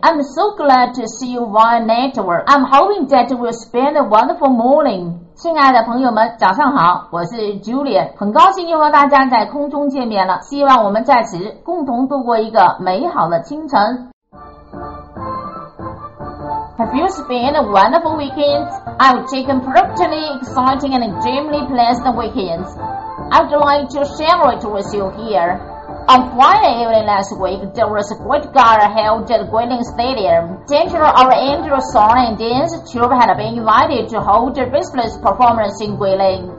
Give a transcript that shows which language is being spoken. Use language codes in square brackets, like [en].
[en] I'm so glad to see you via network. I'm hoping that we'll spend a wonderful morning. [zh] 亲爱的朋友们，早上好，我是 Julian， 很高兴又和大家在空中见面了。希望我们在此共同度过一个美好的清晨。 [en] Have you spent a wonderful weekend? I've taken perfectly exciting and extremely pleasant weekends. I'd like to share it with you here. On Friday evening last week, there was a great gala held at Guilin Stadium. General Oriental Song and Dance Troupe had been invited to hold a business performance in Guilin.